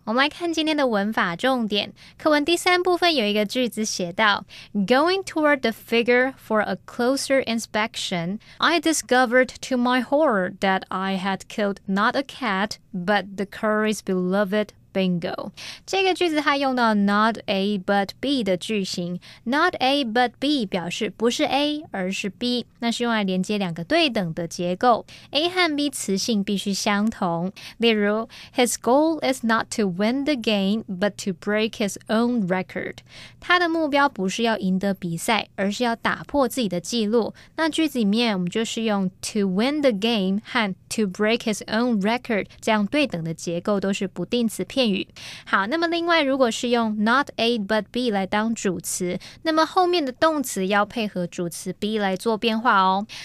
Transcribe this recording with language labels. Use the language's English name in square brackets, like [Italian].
[Chinese] 我们来看今天的文法重点。课文第三部分有一个句子写到 [English] Going toward the figure for a closer inspection, I discovered to my horror that I had killed not a cat, but the Curry's beloved [Chinese] bingo. 这个句子它用到 not A but B 的句型。 Not A but B 表示不是 A 而是 B， 那是用来连接两个对等的结构。 A 和 B 词性必须相同。 [English] 例如 ,His goal is not to win the game, but to break his own record. [Chinese] 他的目标不是要赢得比赛，而是要打破自己的记录。那句子里面我们就是用 [English] to win the game [Chinese] 和 [English] to break his own record [Chinese] 这样对等的结构，都是不定词片语。好，那么另外如果是用 not A but B 来当主词，那么后面的动词要配合主词 B 来做变化哦。